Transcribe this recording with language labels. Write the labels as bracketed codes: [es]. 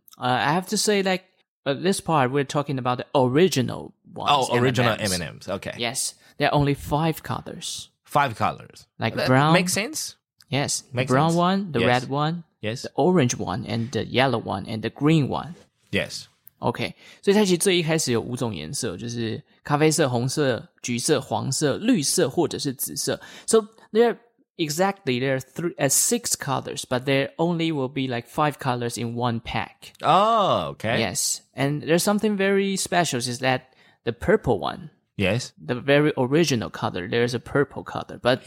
[en] I have to say, like, this part, we're talking about the original ones. Oh, original M&Ms. Okay. Yes. There are only five colors. Five colors. Like that brown. Makes sense? Yes. Makes brown sense. One, the yes. red one. Yes. The orange one, and the yellow one, and the green one. Yes. Okay. [zh] 所以它其实最一开始有五种颜色，就是咖啡色、红色、橘色、黄色、绿色或者是紫色。 [en] So there are exactly, there are six colors, but there only will be like five colors in one pack. Oh, okay. Yes. And there's something very special is that the purple one. Yes. The very original color, there's a purple color. But